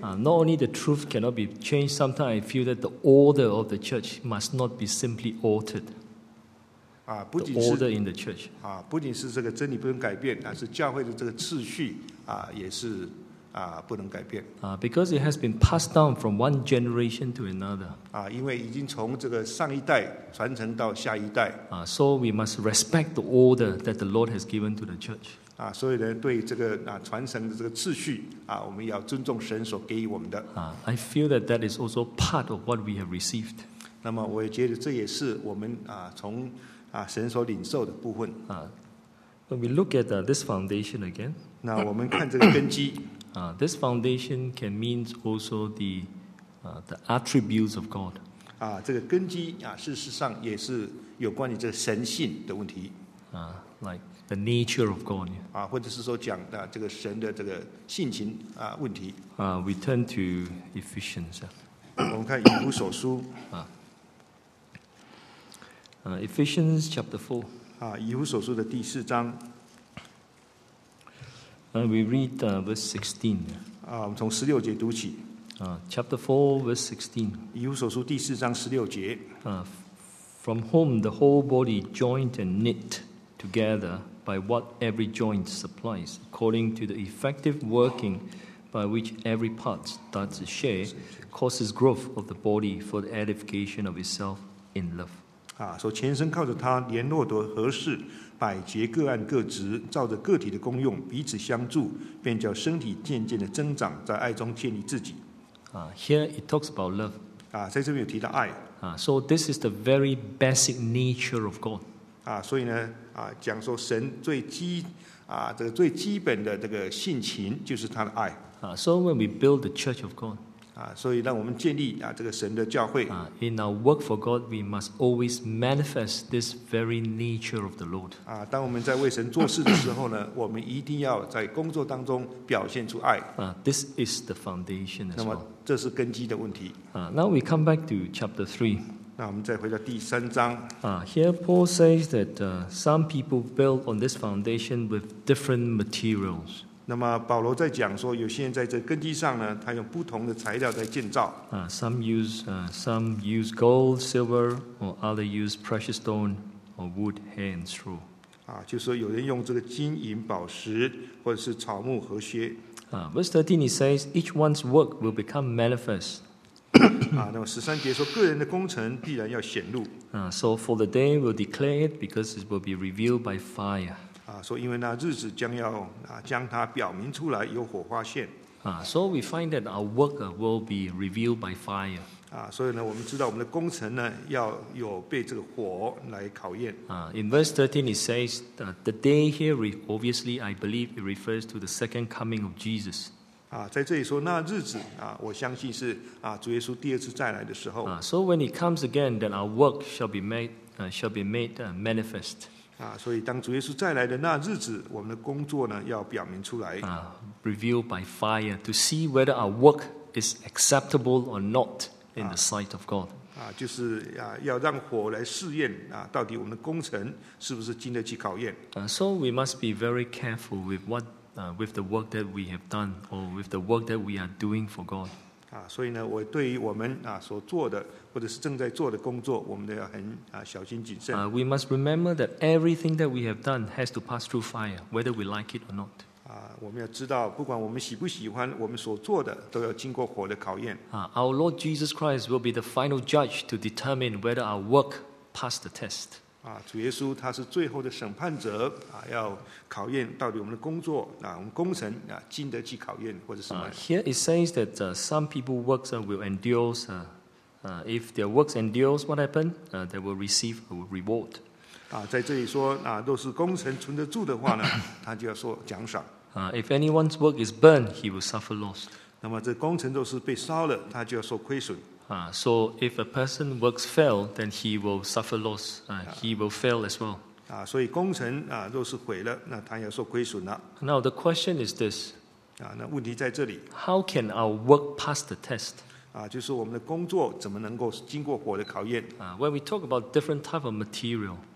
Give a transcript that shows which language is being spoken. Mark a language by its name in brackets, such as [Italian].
[English] Not only the truth cannot be changed, sometimes I feel that the order of the church must not be simply altered. [Chinese] 不仅是 [English] order in the church [Chinese] 啊，不仅是这个真理不能改变，但是教会的这个秩序啊，也是啊不能改变。 [English] Because it has been passed down from one generation to another [Chinese] 啊，因为已经从这个上一代传承到下一代 [English] 啊 ，so we must respect the order that the Lord has given to the church [Chinese] 啊，所以呢，对这个啊传承的这个秩序啊，我们要尊重神所给予我们的啊。 [English] I feel that that is also part of what we have received。 [Chinese] 那么我也觉得这也是我们啊从啊神所领受的部分 [English] 啊。When we look at this foundation again， [Chinese] 那我们看这个根基 [English] 啊。This foundation can mean also the attributes of God。 [Chinese] 啊，这个根基啊，事实上也是有关于这个神性的问题 [English] 啊 ，like the nature of God。 [Chinese] 啊，或者是说讲的这个神的这个性情啊问题。 [English] We turn to Ephesians。 [Chinese] 我们看以弗所书啊。 [English] Ephesians chapter 4. [Chinese] 以弗所书的第四章。 [English] We read verse 16. [Chinese] 我们从十六节读起。 [English] Chapter 4, verse 16. [Chinese] 以弗所书第四章十六节。 [English] From whom the whole body joined and knit together by what every joint supplies, according to the effective working by which every part does its share, causes growth of the body for the edification of itself in love. [Chinese] 说全身靠着他联络得合适，百节各按各职，照着个体的功用彼此相助，便叫身体渐渐的增长，在爱中建立自己。 [English] Here it talks about love. [Chinese] 在这边有提到爱。 [English] So this is the very basic nature of God. [Chinese] 所以呢，讲说神最基这个最基本的这个性情就是他的爱。 [English] So when we build the church of God. [Chinese] 所以让我们建立这个神的教会。 [English] In our work for God, we must always manifest this very nature of the Lord. [Chinese] 当我们在为神做事的时候呢，我们一定要在工作当中表现出爱。 [English] This is the foundation as well. [Chinese] 那么这是根基的问题。 [English] Now we come back to chapter 3. [Chinese] 那我们再回到第三章。 [English] Here Paul says that some people build on this foundation with different materials. [Chinese] 那么保罗在讲说，有些人在这根基上呢，他用不同的材料在建造。 [English] Some use gold, silver, or other use precious stone or wood, hay, and straw. [Chinese] 就是说有人用这个金银宝石，或者是草木和靴。 [English] Verse 13 he says each one's work will become manifest. [Chinese] 那么十三节说个人的工程必然要显露。 [English] So for the day will declare it because it will be revealed by fire. [Chinese] 所以因为那日子将要将它表明出来，有火花现。 [English] So we find that our work will be revealed by fire. [Chinese] 所以呢，我们知道我们的工程呢要有被这个火来考验。 [English] In verse 13 it says the day here obviously I believe it refers to the second coming of Jesus. [Chinese] 在这里说那日子我相信是主耶稣第二次再来的时候。 [English] So when he comes again, then our work shall be made manifest. [Chinese] 所以当主耶稣再来的那日子，我们的工作呢要表明出来。 [English] Revealed by fire to see whether our work is acceptable or not in the sight of God. [Chinese] 就是要让火来试验到底我们的工程是不是经得起考验。 [English] So we must be very careful with with the work that we have done or with the work that we are doing for God. [Chinese] 所以呢，我对于我们所做的。或者是正在做的工作，我们都要很小心谨慎。 [English] We must remember that everything that we have done has to pass through fire, whether we like it or not. [Chinese] 我们要知道，不管我们喜不喜欢，我们所做的都要经过火的考验。 [English] Our Lord Jesus Christ will be the final judge to determine whether our work passed the test. [Chinese] 主耶稣他是最后的审判者要考验到底我们的工作我们工程经得起考验或者什么。 [English] Here it says that some people works will endure. If their works endures, what happens? They will receive a reward. [Chinese] 在这里说若是工程存得住的话呢，他就要说奖赏。 [English] If anyone's work is burned, he will suffer loss. [Chinese] 那么这工程若是被烧了，他就要说亏损。 [English] So if a person works fail, then he will suffer loss. He will fail as well. [Chinese] 所以工程若是毁了，那他要说亏损了。 [English] Now the question is this. [Chinese] 那问题在这里。 [English] How can our work pass the test? [Chinese] 就是我们的工作怎么能够经过火的考验 [English] When we talk about different type of material